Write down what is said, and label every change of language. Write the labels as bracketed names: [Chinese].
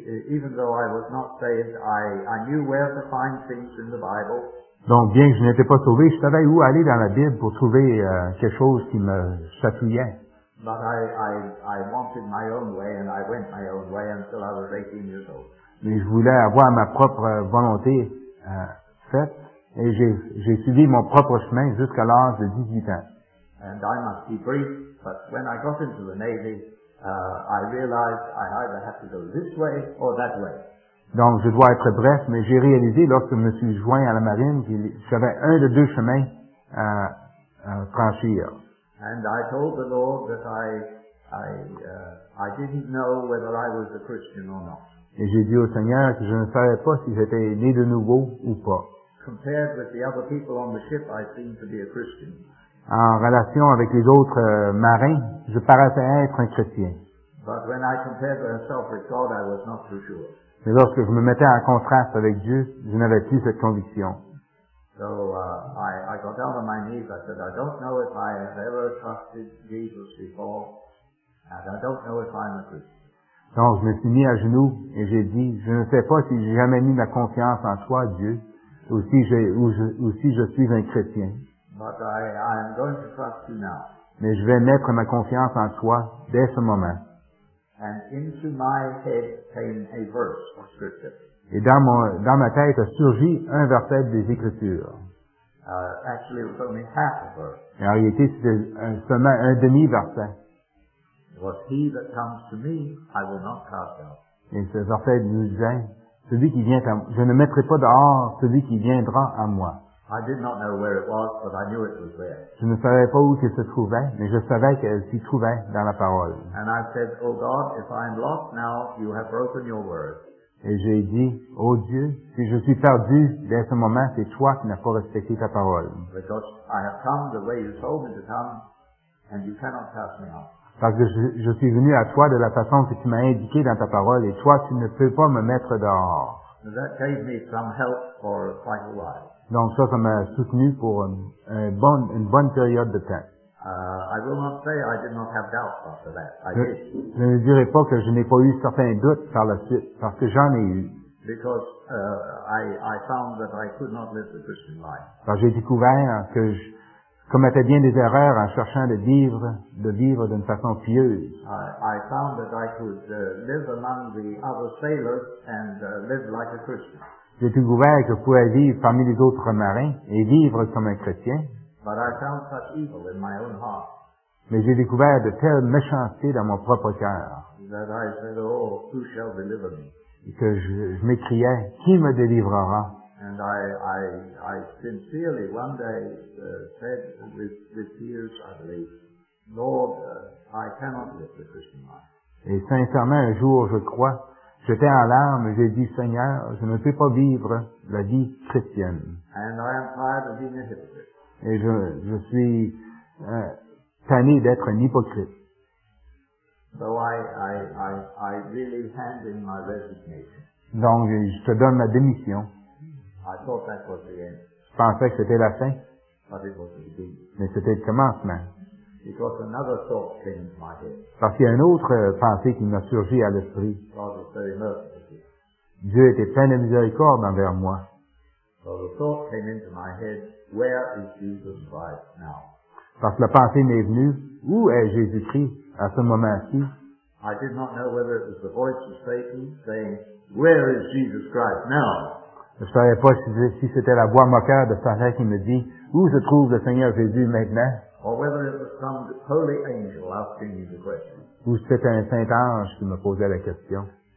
[English] Even though I was not saved, I knew where to find things in the Bible. [French] Donc, bien que je n'étais pas sauvé, je savais où aller dans la Bible pour trouver quelque chose qui me chatouillait. [English] But I wanted my own way, and I went my own way until I was 18 years old. [French] Mais je voulais avoir ma propre volonté faite, et j'ai suivi mon propre chemin jusqu'à l'âge de 18 ans. [English] And I must be brief, but when I got into the Navy, I realized I either have to go this way or that way. [French] Donc, je dois être bref, mais j'ai réalisé, lorsque je me suis joint à la Marine, que j'avais un de deux chemins à franchir. [English] And I told the Lord that I didn't know whether I was a Christian or not. [French] Et j'ai dit au Seigneur que je ne savais pas si j'étais né de nouveau ou pas. [English] Compared with the other people on the ship, I seemed to be a Christian. [French] En relation avec les autres marins, je paraissais être un chrétien. [English] But when I compared myself with God, I was not too sure. [French] Mais lorsque je me mettais en contraste avec Dieu, je n'avais plus cette conviction. [English] So I got down on my knees. I said, I don't know if I have ever trusted Jesus before, and I don't know if I'm a Christian. [French] Donc je me suis mis à genoux et j'ai dit, je ne sais pas si j'ai jamais mis ma confiance en toi, Dieu, ou si je suis un chrétien. [English] But I am going to trust you now. [French] Mais je vais mettre ma confiance en toi dès ce moment. [English] And into my head came a verse of scripture. [French] Et dans ma tête a surgi un verset des Écritures. [English] Actually, it was only half a verse. [French] Et en réalité, c'était seulement un demi-verset. [English] But he that comes to me, I will not cast out. [French] Et ce verset nous disait, celui qui vient à moi, je ne mettrai pas dehors celui qui viendra à moi. [English] I did not know where it was, but I knew it was there. [French] Je ne savais pas où il se trouvait, mais je savais qu'elle s'y trouvait dans la parole. [English] And I said, O God, if I am lost now, you have broken your word. [French] Et j'ai dit, ô Dieu, si je suis perdu dès ce moment, c'est toi qui n'as pas respecté ta parole. [English] Because I have come the way you told me to come, and you cannot cast me out. [French] Parce que je suis venu à toi de la façon que tu m'as indiqué dans ta parole, et toi, tu ne peux pas me mettre dehors. [English] That gave me some help for quite a while. [French] Donc ça m'a soutenu pour une bonne période de temps. Je ne dirai pas que je n'ai pas eu certains doutes par la suite, parce que j'en ai eu. [English] Because I found that I could not live the Christian life. [French] Alors, j'ai découvert que je commettais bien des erreurs en cherchant de vivre d'une façon pieuse. [English] I found that I could live among the other sailors and live like a Christian. [French] J'ai découvert que je pouvais vivre parmi les autres marins et vivre comme un chrétien. [English] But I found such evil in my own heart. [French] Mais j'ai découvert de telles méchancetés dans mon propre cœur. [English] That I said, oh, who shall deliver me? [French] Et que je m'écriais, qui me délivrera? [English] And I sincerely one day said with tears, I believe, Lord, I cannot live the Christian life. [French] Et sincèrement, un jour, je crois, j'étais en larmes, j'ai dit, Seigneur, je ne peux pas vivre la vie chrétienne. [English] And I am tired of being a hypocrite. [French] Et je suis tanné d'être un hypocrite. [English] So I really hand in my resignation. [French] Donc, je te donne ma démission. [English] I thought that was the end. [French] Je pensais que c'était la fin. [English] But it was the beginning. [French] Mais c'était le commencement. [English] Because another thought came to my head. [French] Parce qu'il y a une autre pensée qui m'a surgi à l'esprit. [English] God is very merciful. [French] Dieu était plein de miséricorde envers moi. [English] So the thought came into my head, where is Jesus Christ now? [French] Parce que la pensée m'est venue, où est Jésus-Christ à ce moment-ci? [English] I did not know whether it was the voice of Satan saying, where is Jesus Christ now? [French] Je ne savais pas si c'était la voix moqueur de Satan qui me dit, où se trouve le Seigneur Jésus maintenant? [English] Or whether it was some holy angel asking me the question. [French] Ou c'était un saint ange qui me posait la question.